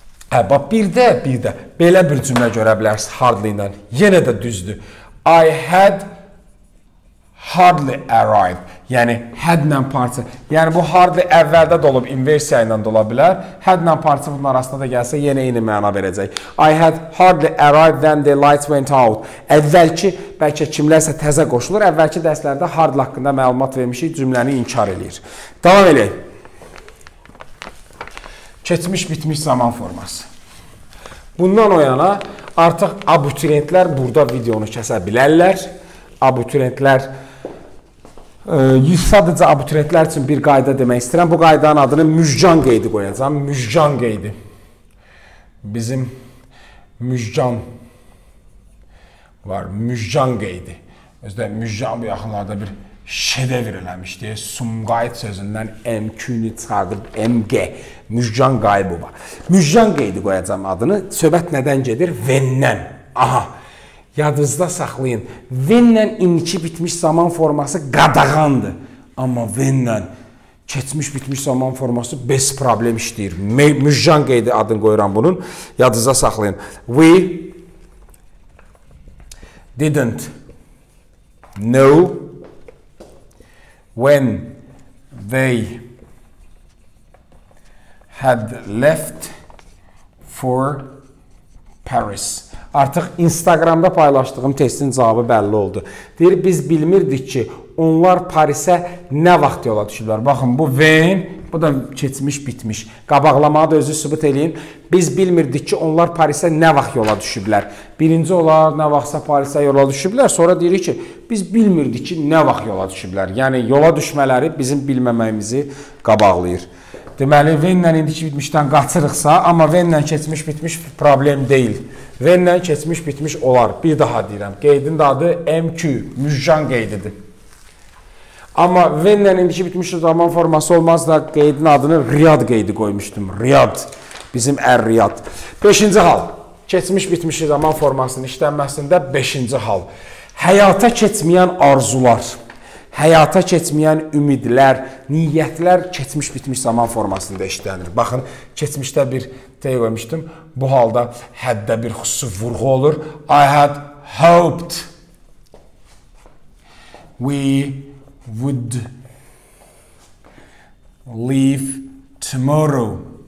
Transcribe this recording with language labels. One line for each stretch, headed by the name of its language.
Azerbaijani: Bax, bir də belə bir cümlə görə bilərsiniz hardly ilə. Yenə də düzdür.
English: I had hardly arrived.
Azerbaijani: Yəni, had ilə parça. Yəni, bu hardly əvvəldə də olub, inversiya ilə də ola bilər. Had ilə parça bunun arasında da gəlsə, yenə eyni məna verəcək.
English: I had hardly arrived when the lights went out.
Azerbaijani: Əvvəlki, bəlkə kimlərsə təzə qoşulur, əvvəlki dərslərdə hardly haqqında məlumat vermişik, cümləni inkar eləyir. Davam eləyək. Keçmiş bitmiş zaman forması. Bundan o yana artıq abituriyentlər burada videonu kəsə bilərlər. Abituriyentlər sadəcə abituriyentlər üçün bir qayda demək istəyirəm. Bu qaydanın adını Müjgan qeydi qoyacağım. Müjgan qeydi. Bizim Müjgan var. Müjgan qeydi. Özdə Müjgan bu yaxınlarda bir şedevr eləmişdi. Sumqayıt sözündən MQ-ni çıxardıb MG. Müjcan Qayıbova. Müjcan qeydi qoyacağım adını. Söhbət nədən gedir? Vennən. Aha. Yadınızda saxlayın. Vennən indiki bitmiş zaman forması qadağandır. Amma vennən keçmiş bitmiş zaman forması bez problem işləyir. Müjcan qeydi adını qoyuram bunun. Yadınızda saxlayın.
English: We didn't know when they had left for Paris.
Azerbaijani: Artıq Instagramda paylaşdığım testin cavabı bəlli oldu. Deyir, biz bilmirdik ki, onlar Paris'ə nə vaxt yola düşüblər. Baxın, bu when, bu da keçmiş, bitmiş. Qabaqlamağı da özü sübut edin. Biz bilmirdik ki, onlar Paris'ə nə vaxt yola düşüblər. Birinci olar, nə vaxtsa Paris'ə yola düşüblər. Sonra deyirik ki, biz bilmirdik ki, nə vaxt yola düşüblər. Yəni, yola düşmələri bizim bilməməyimizi qabaqlayır. Deməli, when-lə indiki bitmişdən qaçırıqsa, amma when-lə keçmiş bitmiş problem deyil. When-lə keçmiş bitmiş olar. Bir daha deyirəm. Qeydin də adı MQ, Müjcan qeydidir. Amma when-lə indiki bitmiş zaman forması olmaz da qeydin adını Riyad qeydi qoymuşdum. Riyad. Bizim ər Riyad. 5-ci hal. Keçmiş bitmiş zaman formasının işlənməsində 5-ci hal. Həyata keçməyən arzular. Həyata keçməyən ümidlər, niyyətlər keçmiş bitmiş zaman formasında işlənir. Baxın, keçmişdə bir deyə qoymuşdum. Bu halda həddə bir xüsusi vurğu olur.
English: I had hoped we would leave tomorrow.